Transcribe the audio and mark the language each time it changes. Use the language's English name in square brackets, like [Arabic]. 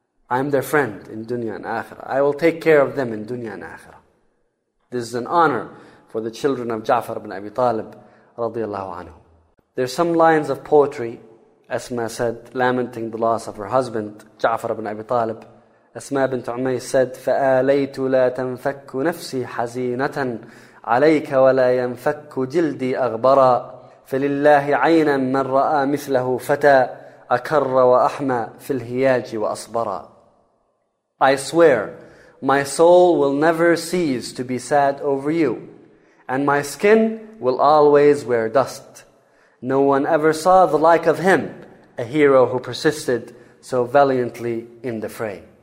[English] I am their friend in dunya and akhirah. I will take care of them in dunya and akhirah. This is an honor for the children of Ja'far ibn Abi Talib radiallahu anhu. There's some lines of poetry, Asma said, lamenting the loss of her husband, Ja'far ibn Abi Talib. Asma bint Umayy said, [Arabic] فَآلَيْتُ لَا تَنْفَكُّ نَفْسِي حَزِينَةً عَلَيْكَ وَلَا يَنْفَكُّ جِلْدِي أَغْبَرًا فَلِلَّهِ عَيْنًا مَنْ رَآ مِثْلَهُ فَتَى أَكَرَّ وَأَحْمَى فِي الْهِيَاجِ وَأَصْبَرًا. [English] I swear, my soul will never cease to be sad over you, and my skin will always wear dust. No one ever saw the like of him, a hero who persisted so valiantly in the fray.